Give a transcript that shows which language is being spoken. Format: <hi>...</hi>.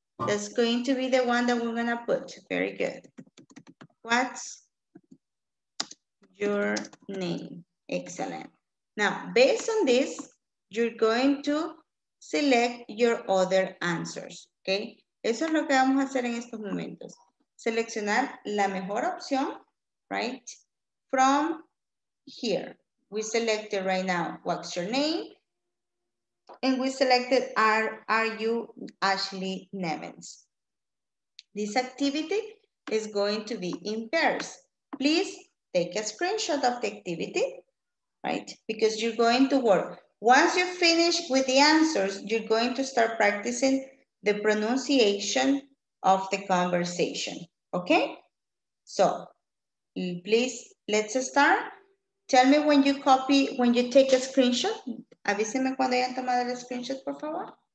<en>That's going to be the one that we're gonna put. Very good. What's your name? Excellent. Now, based on this, you're going to select your other answers, okay?</en> <es>Eso es lo que vamos a hacer en estos momentos. Seleccionar la mejor opción,</es> <en>right? From here, we selected right now, what's your name? And we selected, are you Ashley Nevins? This activity is going to be in pairs. Please take a screenshot of the activity, right? Because you're going to work. Once you finish with the answers, you're going to start practicing the pronunciation of the conversation, okay? So please, let's start. Tell me when you copy, when you take a screenshot.</en> <es>Avísenme cuando hayan tomado el screenshot, por favor.</es>